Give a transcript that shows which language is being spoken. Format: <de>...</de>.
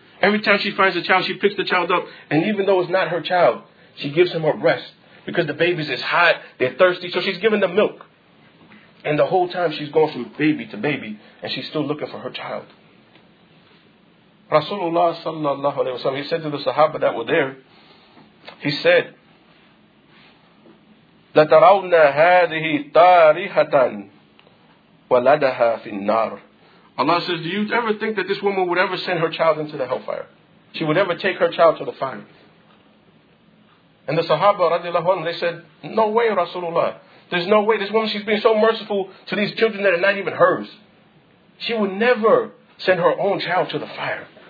<en>Every time she finds a child, she picks the child up. And even though it's not her child, she gives him her breast. Because the babies is hot, they're thirsty, so she's giving them milk. And the whole time she's going from baby to baby, and she's still looking for her child. Rasulullah sallallahu alayhi wa sallam, he said to the sahaba that were there, He said,</en> <ar>لَتَرَوْنَا هَذِهِ طَارِحَةً وَلَدَهَا فِي النَّارِ.</ar> <en>Allah says, do you ever think that this woman would ever send her child into the hellfire? She would ever take her child to the fire? And the Sahaba, radiallahu anhu, they said, no way, Rasulullah. There's no way. This woman, she's being so merciful to these children that are not even hers. She would never send her own child to the fire.</en>